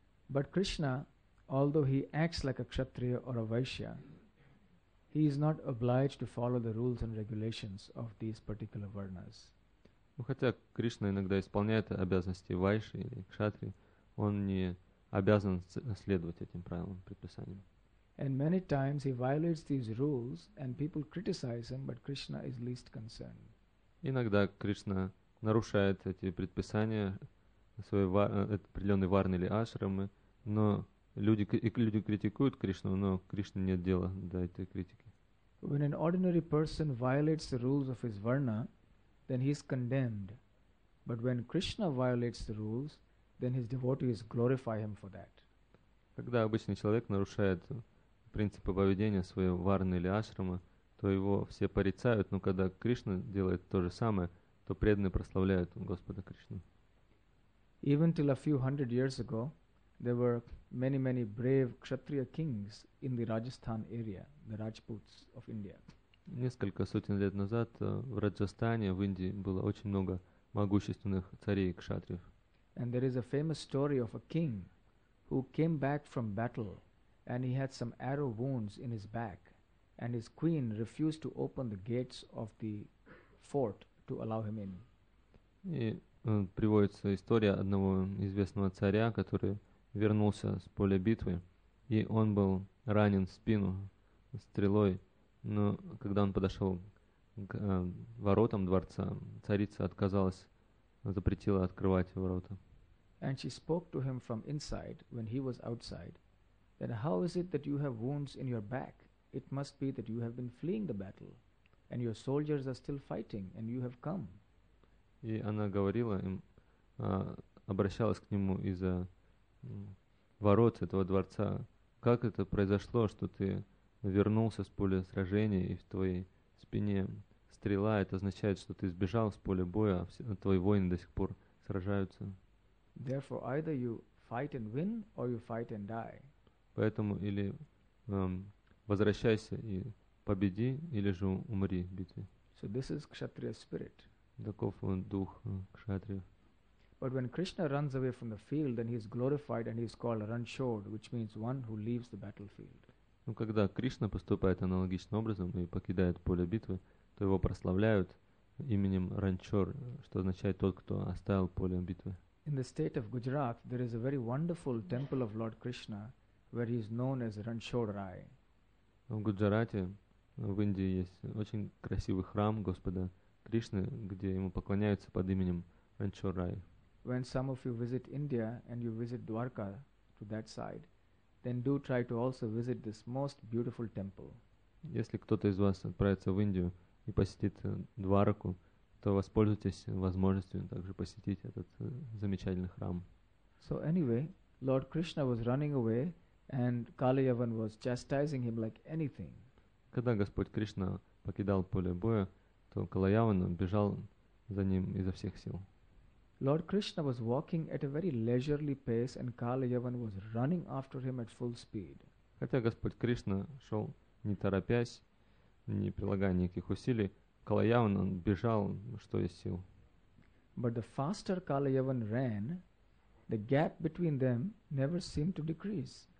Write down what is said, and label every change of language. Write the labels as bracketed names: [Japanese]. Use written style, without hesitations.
[English] But Krishna, although he acts like a kshatriya or a vaishya, he is not obliged to follow the rules and regulations of these particular varnas. [Russian] Ну, хотя Кришна иногда исполняет обязанности вайши или кшатри, он не обязан следовать этим правилам, предписаниям. [English] And many times he violates these rules and people criticize him, but Krishna is least concerned. [Russian] Иногда Кришна нарушает эти предписания своей определенной варны или ашрамы, но Люди критикуют Кришну, но Кришне нет дела до этой критики. [English] When an ordinary person violates the rules of his varna, then he is condemned. But when Krishna violates the rules, then his devotees glorify him for that. [Russian] Когда обычный человек нарушает принципы поведения своего варны или ашрама, то его все порицают, но когда Кришна делает то же самое, то преданные прославляют Господа Кришну. [English] Even till a few hundred years ago, there were many, many brave kshatriya kings in the Rajasthan area, the Rajputs of India. [Russian] Несколько сотен лет назад в Раджастане, в Индии, было очень много могущественных царей и кшатриев. [English] And there is a famous story of a king who came back from battle and he had some arrow wounds in his back and his queen refused to open the gates of the fort to allow him in. [Russian] И приводится история одного известного царя, который вернулся с поля битвы, и он был ранен в спину стрелой, но когда он подошел к воротам дворца, царица отказалась, запретила открывать ворота. [English] And she spoke to him from inside when he was outside. Then how is it that you have wounds in your back? It must be that you have been fleeing the battle, and your soldiers are still fighting, and you have come. [Russian] И она говорила им, обращалась к нему из-за ворот этого дворца. Как это произошло, что ты вернулся с поля сражения, и в твоей спине стрела? Это означает, что ты сбежал с поля боя, а твои воины до сих пор сражаются. [English] Therefore, either you fight and win, or you fight and die. [Russian] Поэтому или возвращайся и победи, или же умри в битве. [English] So this is kshatriya spirit. [Russian] Таков он дух кшатриев. [English] But when Krishna runs away from the field, then he is glorified and he is called Ranchod, which means one who leaves the battlefield. [Russian] Ну когда Кришна поступает аналогичным образом и покидает поле битвы, то его прославляют именем Ранчор, что означает тот, кто оставил поле битвы. [English] In the state of Gujarat, there is a very wonderful temple of Lord Krishna, where he is known as Ranchod Rai. [Russian] В Гуджарате, в Индии, есть очень красивый храм Господа Кришны, где ему поклоняются под именем Ранчор Рай. [English] When some of you visit India and you visit Dwarka to that side, then do try to also visit this most beautiful temple. [Russian] Если кто-то из вас отправится в Индию и посетит Двараку, то воспользуйтесь возможностью также посетить этот замечательный храм. [English] So anyway, Lord Krishna was running away and Kaliyavan was chastising him like anything. [Russian] Когда Господь Кришна покидал поле боя, то Калаяван бежал за ним изо всех сил. [English] Lord Krishna was walking at a very leisurely pace and Kaliyavan was running after him at full speed. [Russian] Хотя Господь Кришна шел не торопясь, не прилагая никаких усилий, Калаяван бежал, что есть сил. [English] But the faster Kaliyavan ran, the gap between them never seemed to decrease.